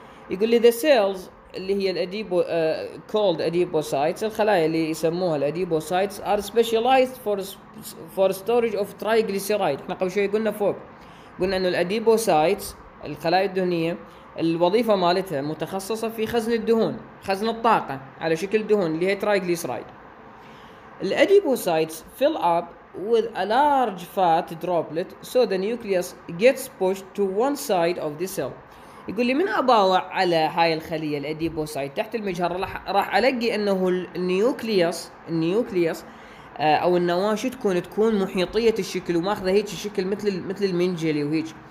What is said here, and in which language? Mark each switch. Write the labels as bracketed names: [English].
[Arabic] يقول لي [English] the cells اللي هي الاديبو كولد اديبوسايتس [Arabic] الخلايا اللي يسموها [English] الاديبوسايتس are specialized for storage of triglyceride. [Arabic] احنا قبل شوي قلنا فوق قلنا انه الاديبوسايتس الخلايا الدهنيه الوظيفة مالتها متخصصة في خزن الدهون، خزن الطاقة على شكل دهون اللي هي ترايجليسرايد. [English] الأديبوسايتس fill up with a large fat droplet so the nucleus gets pushed to one side of the cell. [Arabic] يقول لي من أباوع على هاي الخلية الأديبوسايت تحت المجهر راح ألقي أنه النيوكليوس أو النواش تكون محيطية الشكل وماخذة هيك الشكل مثل المنجلي وهيك.